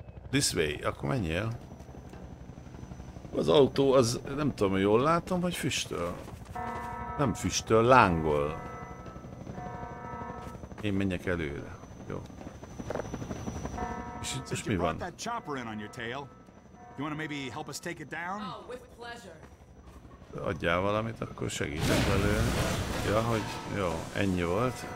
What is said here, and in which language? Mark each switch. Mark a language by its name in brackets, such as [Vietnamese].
[English] This way, [Hungarian] akkor menjél. Az autó, az nem tudom, hogy jól látom, vagy füstöl. Nem füstöl, lángol. Én menjek előre. Jó. És mi van? [English] That chopper in on your tail. You want to maybe help us take it down? Oh, with pleasure. [Hungarian] Adjál valamit, akkor segítek belőle. Ja, hogy jó, ennyi volt.